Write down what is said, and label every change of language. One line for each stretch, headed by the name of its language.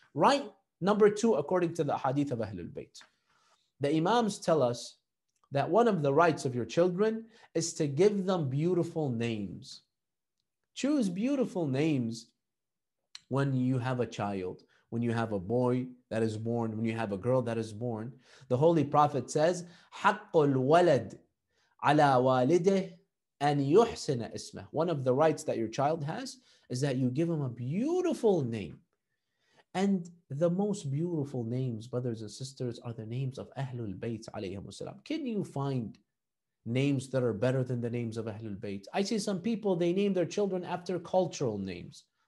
English: Right number two, according to the hadith of Ahlul Bayt. The Imams tell us that one of the rights of your children is to give them beautiful names. Choose beautiful names when you have a child, when you have a boy that is born, when you have a girl that is born. The Holy Prophet says,
Arabic: حَقُّ الْوَلَدْ عَلَىٰ وَالِدِهِ أَنْ يُحْسِنَ إِسْمَهِ.
English: One of the rights that your child has is that you give them a beautiful name. And the most beautiful names, brothers and sisters, are the names of Ahlul Bayt, alayhi wasalam. Can you find names that are better than the names of Ahlul Bayt? I see some people, they name their children after cultural names.